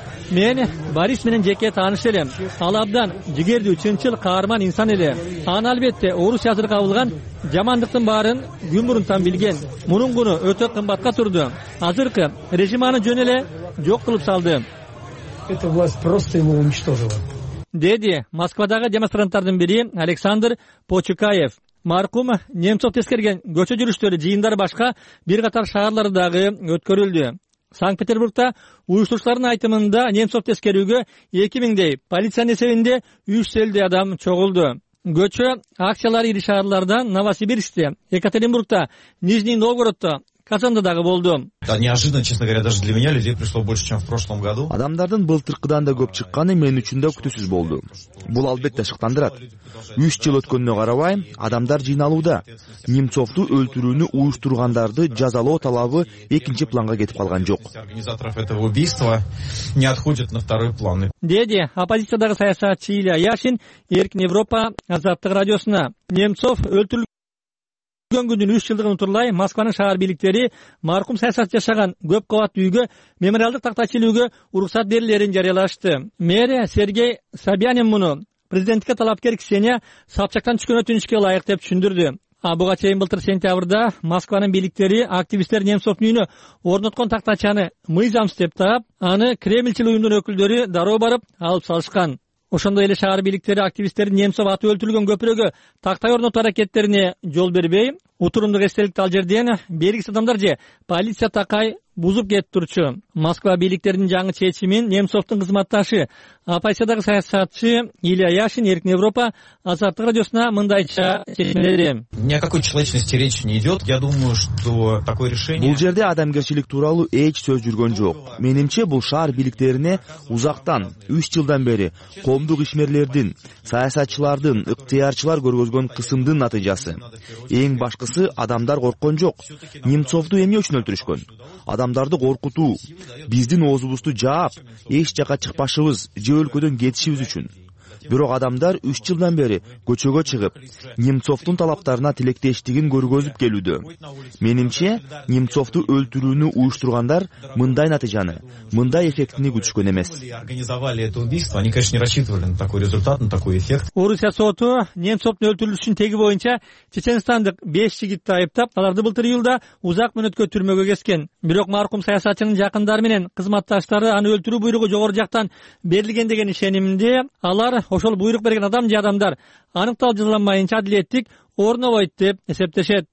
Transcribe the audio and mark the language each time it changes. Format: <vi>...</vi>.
<ky>Мен Борис менен жеке тааныш элем. Ал абдан жигердүү, чынчыл, каарман инсан эле. Аны албетте орус жазыр кабылган жамандыктын баарын күн мурунтан билген. Мунун күнү өтө кымбатка турду. Азыркы режим аны жөн эле жок кылып салды.</ky> <ru>Эта власть просто его уничтожила.</ru> <ky>Деди Москвадагы демонстранттардын бири Александр Почукаев. Маркум Немцов тескерген көчө жүрүштөрү жыйындар башка бир катар шаарлардагы өткөрүлдү. Санкт-Петербургта уюштуруучулардын айтымында Немцов тескерүүгө 2000 полициянын эсебинде 350 адам чогулду. Көчө акциялары ири шаарлардан Новосибирскте, Екатеринбургта, Нижний Новгородто, Казанда дагы болду.</ky> <ru>Неожиданно, честно говоря, даже для меня людей пришло больше, чем в прошлом году.</ru> <ky>Адамдардын былтыркыдан да көп чыкканы мен үчүн да күтүүсүз болду. Бул албетте шыктандырат. 3 жыл өткөнүнө карабай, адамдар жыйналууда. Немцовду өлтүрүүнү уюштургандарды жазалоо талабы экинчи планга кетип калган жок.</ky> <ru>Организаторов этого убийства не отходят на второй план.</ru> <ky>Деди оппозициядагы саясатчы Илья Яшин Эркин Европа Азаттык радиосуна. Немцов өлтүрүлгөн бүгүн күндүн 3 жылдыгын утурлай Москванын шаар бийликтери маркум саясатчы жашаган көп кабаттуу үйгө мемориалдык такта чилүүгө уруксат берилерин жарыялашты. Мэр Сергей Собянин муну президенттикке талапкер Ксения Собчактан түшкөн өтүнүчкө ылайык деп түшүндүрдү. А буга чейин былтыр сентябрда Москванын бийликтери активисттер Немцовдун үйүнө орноткон тактачаны мыйзамсыз деп таап, аны Кремльчил уюмдун өкүлдөрү дароо барып алып салышкан. Ошондой эле шаар бийликтери активисттерин Немцов атып өлтүрүлгөн көпүрөгө тактай орнотуу аракеттерине жол бербей, утурумдук эстеликти ал жерден белгисиз адамдар же полиция такай бузуп кетип турчу. Москва бийликтеринин жаңы чечимин Немцовдун кызматташы оппозициядагы саясатчы Илья Яшин Эркин Европа Азаттык радиосуна мындайча чечмеледи.</ky> <ru>Ни о какой человечности речи не идет. Я думаю, что такое решение.</ru> <ky>Бул жерде адамгерчилик тууралуу эч сөз жүргөн жок. Менимче бул шаар бийликтерине узактан 3 жылдан бери коомдук ишмерлердин, саясатчылардын, ыктыярчылар көргөзгөн кысымдын натыйжасы. Эң башкысы адамдар корккон жок. Немцовду эмне үчүн өлтүрүшкөн? Адамдарды коркутуу, биздин оозубузду жаап, эч жака чыкпашыбыз же өлкөдөн кетишибиз үчүн. Бирок адамдар 3 жылдан бери көчөгө чыгып, Немцовдун талаптарына тилектештигин көргөзүп келүүдө. Менимче, Немцовду өлтүрүүнү уюштургандар мындай натыйжаны, мындай эффектини күтүшкөн эмес.</ky> <ru>Организовали это убийство, они, конечно, не рассчитывали на такой результат, на такой эффект.</ru> <ky>Орусия соту Немцовдун өлтүрүлүшүн теги боюнча чечендик 5 жигитти айыптап, аларды былтыр июлда узак мөөнөткө түрмөгө кескен. Бирок маркум саясатчынын жакындары менен кызматташтары аны өлтүрүү буйругу жогору жактан берилген деген ишенимде, алар ошол буйрук берген адам же адамдар аныктал жазаланмайынча адилеттик орнобойт деп эсептешет.</ky>